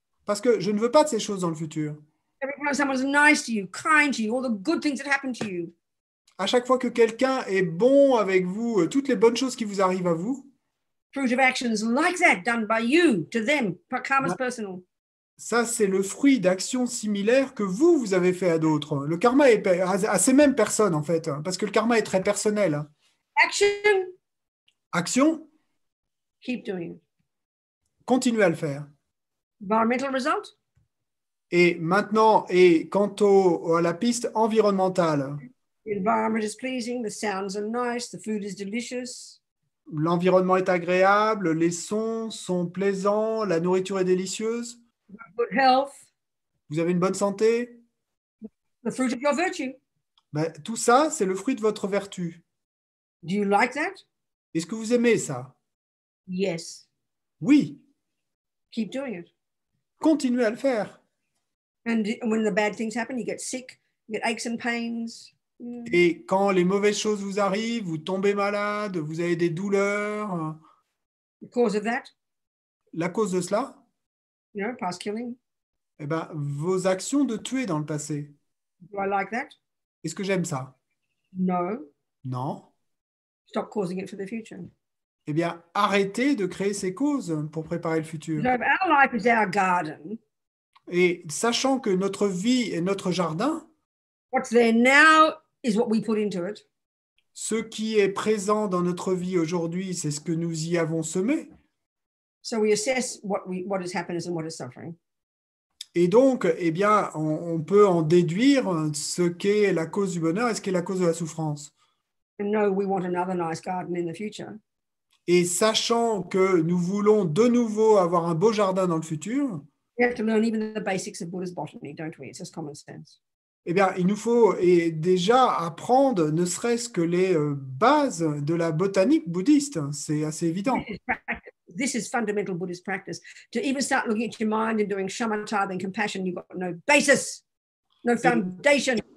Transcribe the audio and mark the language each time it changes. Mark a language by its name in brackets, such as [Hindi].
[French] Parce que je ne veux pas de ces choses dans le futur. [English] Every time someone's nice to you, kind to you, all the good things that happen to you. [French] À chaque fois que quelqu'un est bon avec vous, toutes les bonnes choses qui vous arrivent à vous. [English] Fruit of actions like that done by you to them, but karma's personal. [French] Ça, c'est le fruit d'actions similaires que vous, vous avez fait à d'autres. Le karma est à ces mêmes personnes, en fait, parce que le karma est très personnel. [English] Action. [French] Action. [English] Keep doing it. [French] Continuez à le faire. [English] Environmental result. [French] Et maintenant, et quant à la piste environnementale. [English] The environment is pleasing, the sounds are nice, the food is delicious. [French] L'environnement est agréable, les sons sont plaisants, la nourriture est délicieuse. [English] Good health. [French] Vous avez une bonne santé. [English] The fruit of your virtue. [French] Ben, tout ça, c'est le fruit de votre vertu. [English] Do you like that? [French] Est-ce que vous aimez ça? [English] Yes. [French] Oui. [English] Keep doing it. [French] Continuez à le faire. [English] And when the bad things happen, you get sick, you get aches and pains. [French] Et quand les mauvaises choses vous arrivent, vous tombez malade, vous avez des douleurs. [English] The cause of that? [French] La cause de cela? [English] You know, past killing. [French] Eh ben, vos actions de tuer dans le passé. [English] Do I like that? [French] Est-ce que j'aime ça? [English] No. [French] Non. [English] Stop causing it for the future. [French] Eh bien, arrêtez de créer ces causes pour préparer le futur. [English] No, but our life is our garden. [French] Et sachant que notre vie est notre jardin. [English] What's there now is what we put into it. [French] Ce qui est présent dans notre vie aujourd'hui, c'est ce que nous y avons semé. [English] So we assess what is happiness and what is suffering. [French] Et donc, eh bien, on peut en déduire ce qu'est la cause du bonheur et ce qu'est la cause de la souffrance. [English] And know we want another nice garden in the future. [French] Et sachant que nous voulons de nouveau avoir un beau jardin dans le futur. [English] We have to learn even the basics of Buddha's botany, don't we? It's just common sense. [French] Eh bien, il nous faut déjà apprendre ne serait-ce que les bases de la botanique bouddhiste. C'est assez évident. [English] This is fundamental Buddhist practice. To even start looking at your mind and doing shamatha and compassion, you've got no basis, no foundation.